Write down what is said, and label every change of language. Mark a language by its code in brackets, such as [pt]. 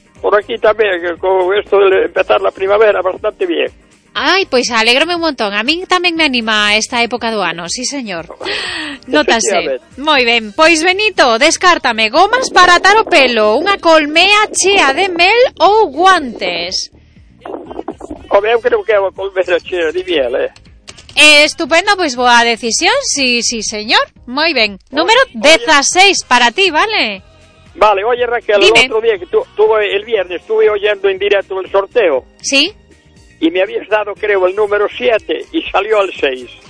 [es] Por aquí también, con esto de empezar la primavera, bastante bien. Ay, pues alégrame un montón. A mí también me anima esta época [gl] do ano, [es] sí, señor. [gl] Nótase. [es] Muy bien. Pues Benito, descártame. [gl] ¿Gomas para atar o pelo? [es] ¿Una [gl] colmea chea de mel o guantes? [es] Hombre, yo creo que [gl] é unha colmea chea de mel, [es] Estupendo, pues [gl] boa decisión. [es] Sí, sí, señor. Muy bien. Número 16 para ti, ¿vale? Vale, oye Raquel, dime. El otro día que el viernes estuve oyendo en directo el sorteo. Sí. Y me habías dado, creo, el número 7 y salió el 6.